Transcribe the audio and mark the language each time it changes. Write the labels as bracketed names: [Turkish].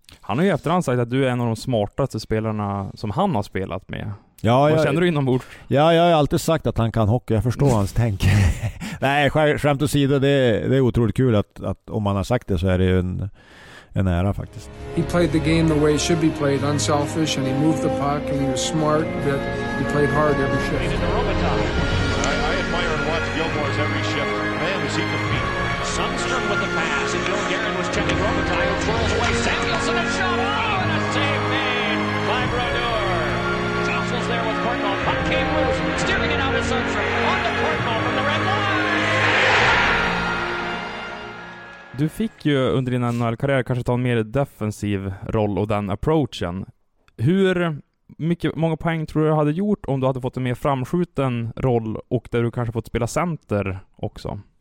[Swedish] Han har ju efterhand sagt att du är en av de smartaste spelarna som han har spelat med. Ja, vad känner du inombords? Ja, jag har alltid sagt att han kan hockey, jag förstår hans tänk. Nej, skämt åsido, det är otroligt kul att om man har sagt det, så är det ju en ära faktiskt. [English] He played the game the way it should be played, unselfish, and he moved the puck and he was smart, but he played hard every shift. I admire and watch Gilmore's every shift. Man, does he compete. Sundström with the pass, and Joe Garen was checking Robitaille, who throws away Samuelson, a shot, and a save made by Brodeur. Tossles there with Cordell, puck came loose, steering it out of Sundström, on to Cordell from the red line. [Swedish] Du fick ju under din NHL-karriär kanske ta en mer defensiv roll och den approachen. Hur mycket, många poäng tror du hade gjort om du hade fått en mer framskjuten roll och där du kanske fått spela center också?